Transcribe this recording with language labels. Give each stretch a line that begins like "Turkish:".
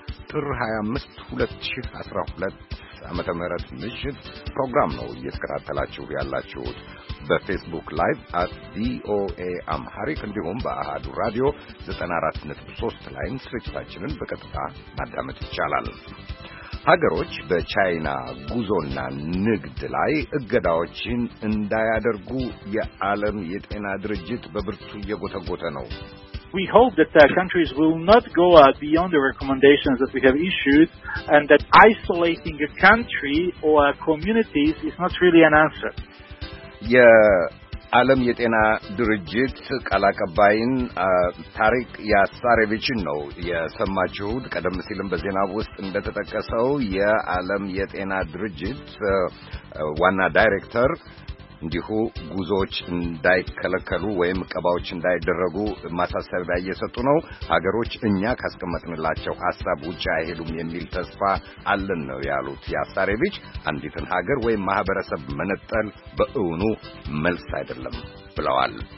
Amharic: ጥር 25 2012 ዓመተ ምህረት ምሽት ፕሮግራም ነው እየተከታተላችሁ ያላችሁት። በፌስቡክ ላይቭ አት ቪኦኤ አምሃሪክ እንዲሁም በአሃዱ ራዲዮ 94.3 ላይም ስርጭታችንን በቀጥታ ማዳመጥ ይቻላል። ሀገሮች በቻይና ጉዞና ንግድ ላይ እገዳዎችን እንዳያደርጉ የዓለም የጤና ድርጅት በብርቱ እየጎተጎተ ነው።
English: We hope that the countries will not go out beyond the recommendations that we have issued and that isolating a country or a community is not really an answer.
Amharic: የዓለም የጤና ድርጅት ቃል አቀባይን ታሪክ ያሳረቪችን ነው የሰማችሁት። ቀደም ሲልም በዜናው ውስጥ እንደተጠቀሰው የዓለም የጤና ድርጅት ዋና ዳይሬክተር እንዲሁ ጉዞዎች እንዳይከለከሉ ወይም ቀባዎች እንዳይደረጉ ማሳሰቢያ እየሰጡ ነው። ሀገሮች እኛ ካስቀመጥንላቸው ሐሳብ ውጪ አይሄዱም የሚል ተስፋ አለን ነው ያሉት ያሳረቪች። አንዲትን ሀገር ወይም ማህበረሰብ መነጠል በእውኑ መልስ አይደለም ብለዋል።